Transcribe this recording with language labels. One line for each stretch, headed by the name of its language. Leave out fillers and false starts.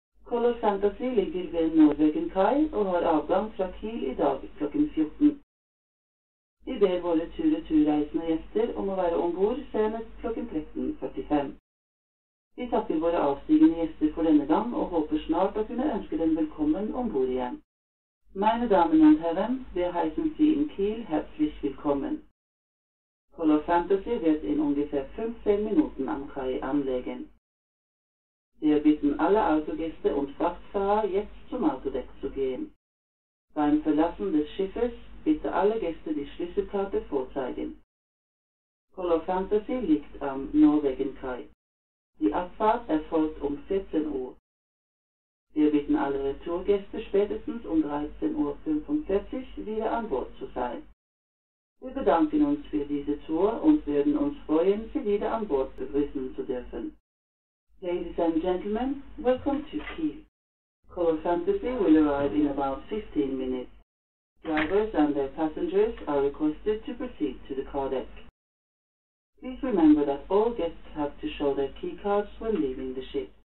Norwegian: Color Fantasy ligger ved Norwegian Kai og har avgang fra Kiel i dag klokken 14. Vi ber våre tur-retur-reisende gjester om å være ombord senest klokken 13.45. Vi takker våre avstigende gjester for denne gang og håper snart å kunne ønske dem velkommen ombord igjen.
German: Meine Damen und Herren, wir heißen Sie in Kiel herzlich willkommen. Color Fantasy wird in ungefähr 15 Minuten am Kai anlegen. Wir bitten alle Autogäste und Frachtfahrer, jetzt zum Autodeck zu gehen. Beim Verlassen des Schiffes bitte alle Gäste die Schlüsselkarte vorzeigen. Color Fantasy liegt am Norwegian Kai. Die Abfahrt erfolgt um 14 Uhr. Wir bitten alle Retourgäste spätestens um 13.45 Uhr wieder an Bord zu sein. Wir bedanken uns für diese Tour und werden uns freuen, Sie wieder an Bord begrüßen zu dürfen.
English: Ladies and gentlemen, welcome to Kiel. Color Fantasy will arrive in about 15 minutes. Drivers and their passengers are requested to proceed to the car deck. Please remember that all guests have to show their key cards when leaving the ship.